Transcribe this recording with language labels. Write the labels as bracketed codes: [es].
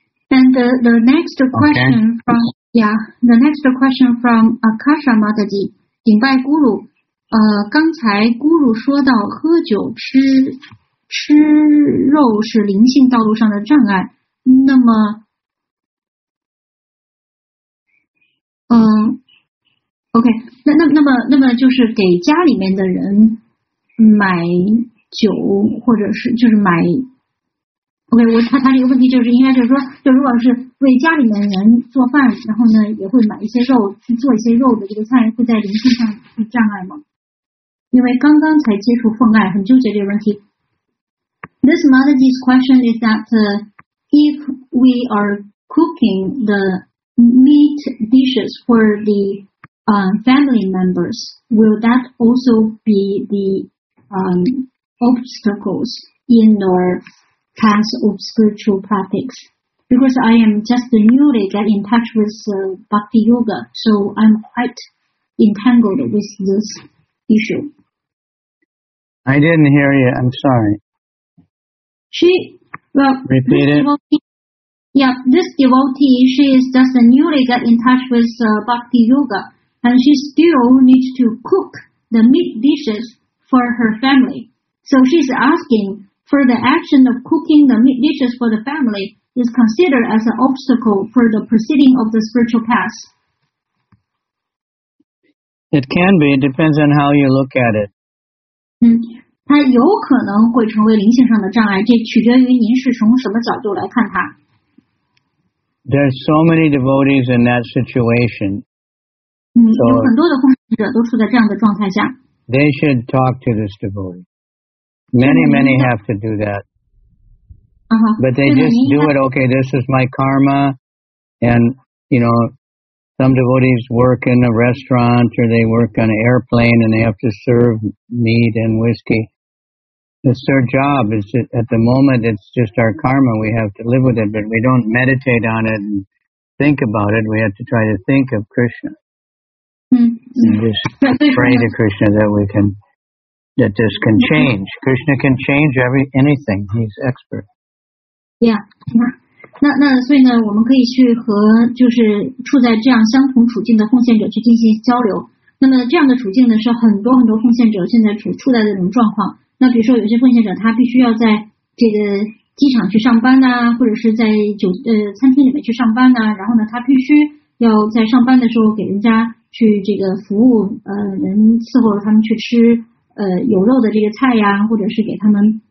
[en] And the next question the next question from Akasha Mataji, [zh] 顶拜 [en] Guru. [zh] 刚才 Guru 说到喝酒吃肉是灵性道路上的障碍。那么，那么就是给家里面的人买酒，或者是就是买。 OK， 他这个问题就是应该就是说，就如果是为家里面人做饭，然后呢也会买一些肉去做一些肉的这个菜，会在灵性上有障碍吗？因为刚刚才接触奉爱，很纠结这个问题。 [en] This Mataji's question is that if we are cooking the meat dishes for the family members, will that also be the obstacles in your path of spiritual practice? Because I am just newly get in touch with Bhakti Yoga, so I'm quite entangled with this issue. I didn't hear you. I'm sorry. Repeat it. This devotee, she is just newly get in touch with Bhakti Yoga, and she still needs to cook the meat dishes for her family. So she's asking for the action of cooking the meat dishes for the family is considered as an obstacle for the proceeding of the spiritual path. It can be. It depends on how you look at it. [zh] 它有可能会成为灵性上的障碍，这取决于您是从什么角度来看它。 [en] There are so many devotees in that situation. [zh] 有很多的奉献者都处在这样的状态下。 [en] They should talk to this devotee. Many have to do that. But they just do it, okay, this is my karma, and, you know, some devotees work in a restaurant or they work on an airplane and they have to serve meat and whiskey. It's their job. It's just, at the moment, it's just our karma. We have to live with it, but we don't meditate on it and think about it. We have to try to think of Krishna. And just pray to Krishna that we can, that this can change. Krishna can change anything. He's expert. [zh] Yeah, 那所以呢，我们可以去和就是处在这样相同处境的奉献者去进行交流。那么这样的处境呢，是很多很多奉献者现在处在这种状况。那比如说有些奉献者他必须要在这个机场去上班呐、或者是在餐厅里面去上班呐、然后呢，他必须要在上班的时候给人家去这个服务，人伺候他们去吃有肉的这个菜呀，或者是给他们。